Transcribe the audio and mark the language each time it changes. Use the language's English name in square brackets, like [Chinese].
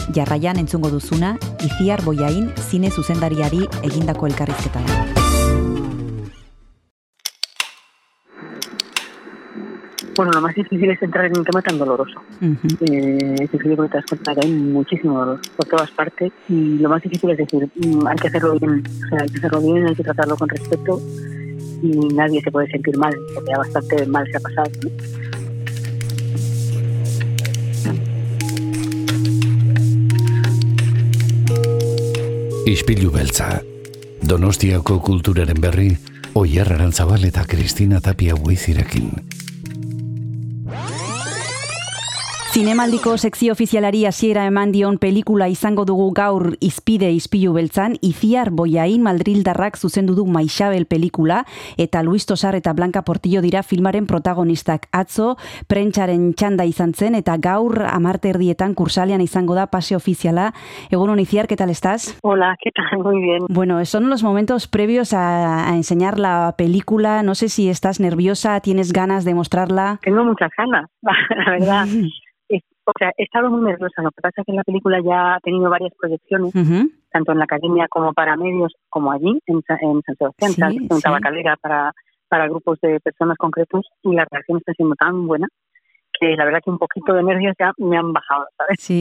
[Basque] Jarraian entzungo duzuna Iziar Bollain zine zuzendariari egindako elkarrizketa da. [Spanish] Bueno, lo más difícil es entrar en un tema tan doloroso. Es difícil porque te das cuenta que hay muchísimo dolor por todas partes. Y lo más difícil es decir, hay que hacerlo bien. O sea, hay que hacerlo bien, hay que tratarlo con respeto. Y nadie se puede sentir mal, porque ya bastante mal se ha pasado, ¿no? [Basque] Ispilu Beltza. Donostiako kulturaren berri, Oier Arantzabal eta Kristina Tapia Buizirekin. Zinemaldiko sekzio ofizialari hasiera eman dion pelikula izango dugu gaur izpide Ispilu Beltzan, Iziar Bollain madrildarrak zuzendu du Maixabel pelikula, eta Luis Tosar eta Blanca Portillo dira filmaren protagonistak. Atzo, prentxaren txanda izan zen, eta gaur amarterdietan kursalean izango da pase ofiziala. Egunon, [Spanish] Iziar, ¿qué tal estás? Hola, ¿qué tal? Muy bien. Bueno, son los momentos previos a enseñar la película. No sé si estás nerviosa, ¿tienes ganas de mostrarla? Tengo muchas ganas, la verdad. O sea, he estado muy nerviosa. Lo que pasa es que la película ya ha tenido varias proyecciones, tanto en la academia como para medios, como allí, en San Sebastián, en Tabacalera, para grupos de personas concretos, y la reacción está siendo tan buena que la verdad que un poquito de nervios ya me han bajado, ¿sabes?